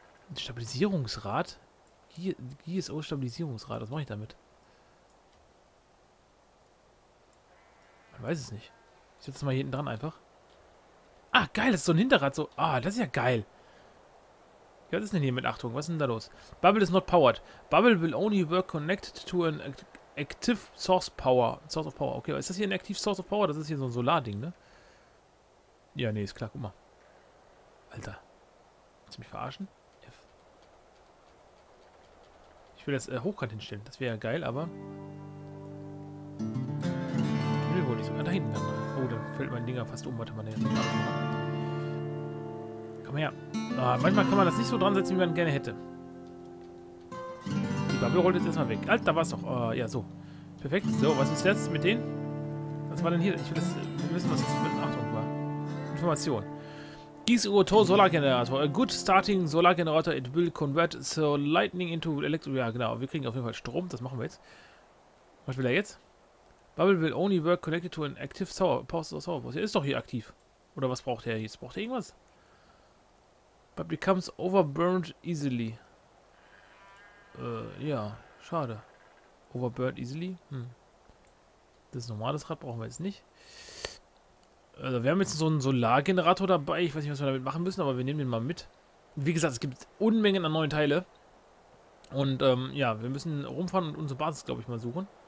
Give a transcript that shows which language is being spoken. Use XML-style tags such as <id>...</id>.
<de>Ein Stabilisierungsrad? GSO-Stabilisierungsrad, was mache ich damit? Man weiß es nicht. Ich setze es mal hier hinten dran einfach. Ah, geil, das ist so ein Hinterrad. So. Ah, das ist ja geil. Was ist denn hier mit Achtung? Was ist denn da los?</de> <en>Bubble is not powered. Bubble will only work connected to an active source power. Source of power.</en> <de>Okay, ist das hier ein</de> <en>active source of power?</en> <de>Das ist hier so ein Solarding, ne? Ja, nee, ist klar. Guck mal. Alter. Willst du mich verarschen? Ich will das hochkant hinstellen. Das wäre ja geil, aber. Ich will wohl nicht so. Ah, da hinten dann. Oh, da fällt mein Dinger fast um. Warte mal, der. Komm her. Ah, manchmal kann man das nicht so dran setzen, wie man gerne hätte. Die Bubble rollt jetzt erstmal weg. Alter, da war es doch. Ja, so. Perfekt. So, was ist jetzt mit denen? Was war denn hier? Ich will das. Wir wissen, was das für eine Achtung war. Information.</de> <en>GISO Solar Generator, a good starting Solar Generator, it will convert so lightning into electro.</en> <de>Ja, genau, wir kriegen auf jeden Fall Strom, das machen wir jetzt. Was will er jetzt?</de> <en>Bubble will only work connected to an active source.</en> <de>Er ist doch hier aktiv. Oder was braucht er jetzt? Braucht er irgendwas?</de> <en>But becomes overburned easily.</en> <de>Ja, schade.</de> <en>Overburned easily?</en> <de>Hm. Das normale Rad brauchen wir jetzt nicht. Also wir haben jetzt so einen Solargenerator dabei. Ich weiß nicht, was wir damit machen müssen, aber wir nehmen den mal mit. Wie gesagt, es gibt Unmengen an neuen Teile. Und ja, wir müssen rumfahren und unsere Basis, glaube ich, mal suchen.</de>